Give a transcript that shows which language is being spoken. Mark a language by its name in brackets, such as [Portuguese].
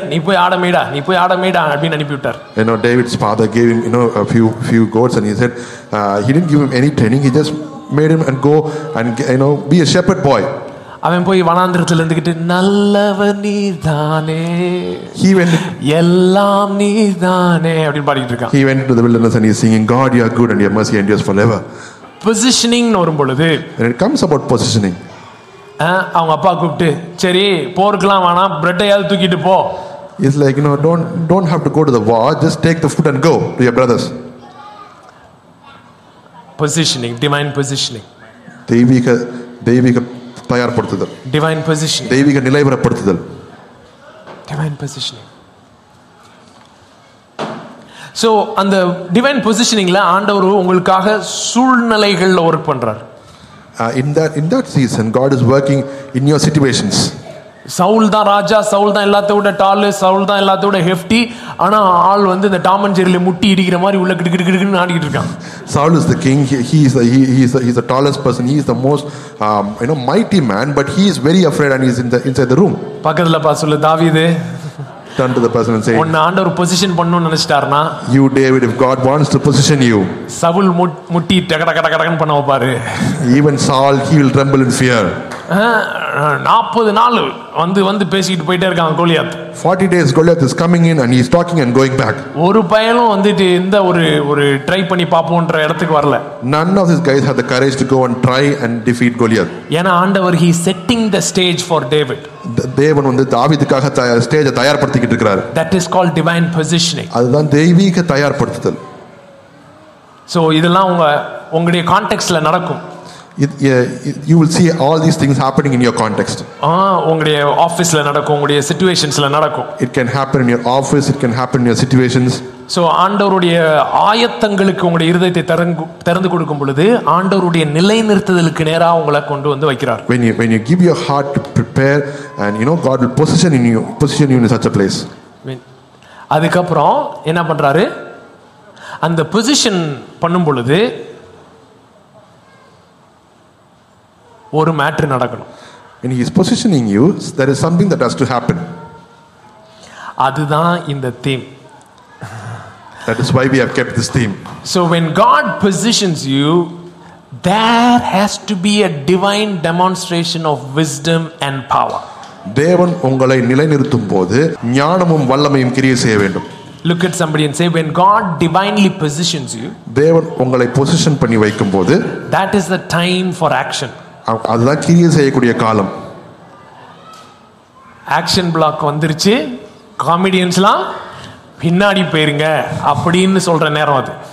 [Tamil] நீ போய் ஆட மேடா, நீ போய் ஆட மேடா அப்படின்னு அனுப்பிவிட்டார். [English] You know, David's father gave him, you know, a few goats and he said, he didn't give him any training. He just made him and go and, you know, be a shepherd boy. [Tamil] அவன் போய் வனாந்திரத்தில் இருந்துகிட்டு நல்லவன் நீ தானே, [English] he went, [Tamil] எல்லாம் நீ தானே அப்படின்னு பாடிட்டு இருக்கான். [English] He went to the wilderness and he's singing, God, you are good and your mercy endures forever. [Tamil] Positioning வரும்பொழுது, [English] when it comes about positioning, [Tamil] அவங்க அப்பா கூப்பிட்டு சரி போர்க்கலாம், ஆனா பிரெட்டையாவது தூக்கிட்டு போ. [English] It's like, you know, don't have to go to the war, just take the food and go to your brothers. Positioning, divine positioning. [Tamil] தெய்வீக தயார்படுத்துதல், [English] divine positioning. [Tamil] தெய்வீக நிலைவரப்படுத்துதல், [English] divine positioning. [Tamil] So அந்த divine positioningல ஆண்டவர் உங்களுக்காக சூழ்நிலைகளை வர்க் பண்றார். [English] In that season God is working in your situations. [Tamil] Saul தான் ராஜா, சவுல் தான் எல்லாத்தோட டால், சவுல் தான் எல்லாத்தோட ஹெஃப்டி. ஆனா ஆள் வந்து இந்த டாம் அண்ட் ஜெரில முட்டி இடிக்கிற மாதிரி உள்ள கிடு கிடு கிடுன்னு ஆடிக்கிட்டு இருக்கான். [English] Saul is the king, he is the tallest person, he is the most you know, mighty man, but he is very afraid and he is inside the room. [Tamil] பக்கத்துல பா சொல்லு, தாவீது [English] turn to the person and say, [Tamil] உன்னை ஆண்டவர் position பண்ணனும் நினைச்சார்னா, [English] you David, if God wants to position you, [Tamil] Saul முட்டி டக டக டக டகன் பண்ணவ பாரு. [English] Even Saul, he will tremble in fear. [Tamil] 40 நாள் வந்து வந்து பேசிக்கிட்டு போயிட்டே இருக்காங்க Goliath. [English] 40 days Goliath is coming in and he is talking and going back. ஒரு பயலும் வந்துட்டு இந்த ஒரு ட்ரை பண்ணி பாப்போம்ன்ற இடத்துக்கு வரல. None of these guys had the courage to go and try and defeat Goliath. [Tamil] ஏனா ஆண்டவர் [English] he is setting the stage for David. [Tamil] தேவன் வந்து தாவீதுக்காக ஸ்டேஜை தயார்படுத்திக்கிட்டு இருக்கிறார். [English] That is called divine positioning. [Tamil] அதுதான் தெய்வீக தயார்படுத்துதல். சோ இதெல்லாம் உங்களுடைய கான்டெக்ஸ்ட்ல நடக்கும். [English] You will see all these things happening in your context. [Tamil] உங்களுடைய ஆபீஸ்ல நடக்கும், உங்களுடைய சிச்சுவேஷன்ஸ்ல நடக்கும். [English] It can happen in your office, it can happen in your situations. [Tamil] So ஆண்டவருடைய ஆயத்தங்களுக்கு உங்களுடைய இருதயத்தை திறந்து கொடுக்கும் பொழுது ஆண்டவருடைய நிலைநிறுத்துதலுக்கு நேரா உங்களை கொண்டு வந்து வைக்கிறார். [English] When you give your heart to prepare and you know God will position you in such a place. [Tamil] அதுக்கப்புறம் என்ன பண்றாரு, அந்த பொசிஷன் பண்ணும் பொழுது ஒரு மேட்டர் நடக்கணும். [English] When he is positioning you, there is something that has to happen. [Tamil] அதுதான் இந்த theme. [English] That is why we have kept this theme. So when God positions you, there has to be a divine demonstration of wisdom and power. [Tamil] தேவன் உங்களை நிலைநிறுத்தும் போது ஞானமும் வல்லமையும் கிரியை செய்ய வேண்டும். [English] Look at somebody and say, when God divinely positions you, [Tamil] தேவன் உங்களை position பண்ணி வைக்கும் போது, [English] that is the time for action. [Tamil] அதுதான் கிரியை செய்யக்கூடிய காலம். ஆக்ஷன் பிளாக் வந்துருச்சு, காமெடியன்ஸ்லாம் பின்னாடி போயிருங்க அப்படின்னு சொல்ற நேரம் அது.